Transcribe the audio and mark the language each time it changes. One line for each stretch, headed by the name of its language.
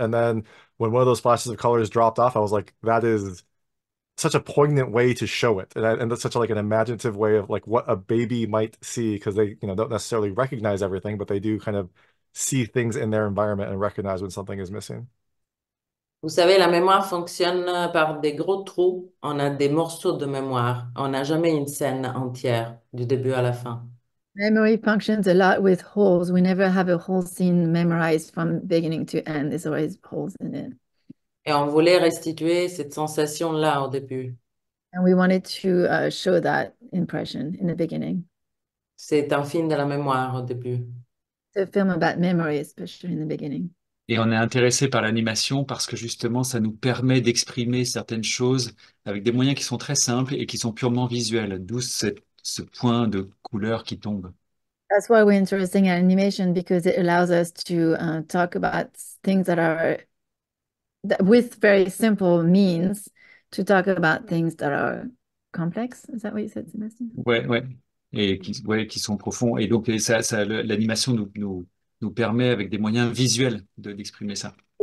English: And then when one of those splashes of colors dropped off, I was like, that is such a poignant way to show it. And that's such a, like an imaginative way of like what a baby might see because they, you know, don't necessarily recognize everything, but they do kind of see things in their environment and recognize when something is missing.
French: Vous savez, la mémoire fonctionne par des gros trous. On a des morceaux de mémoire. On n'a jamais une scène entière, du début à la fin.
English: Memory functions a lot with holes. We never have a whole scene memorized from beginning to end. There's always holes in it.
French: Et on voulait restituer cette sensation-là au début.
English: And we wanted to show that impression in the beginning.
French: C'est un film de la mémoire au début.
English: a film about memory, especially in the beginning.
French: Et on est intéressé par l'animation parce que justement, ça nous permet d'exprimer certaines choses avec des moyens qui sont très simples et qui sont purement visuels, d'où ce point de couleur qui tombe.
English: That's why we're interested in animation because it allows us to talk about things that with very simple means to talk about things that are complex. Is that what you said, Sébastien?
French: Ouais. Et qui sont profonds. Et donc, l'animation nous permet, avec des moyens visuels, d'exprimer ça.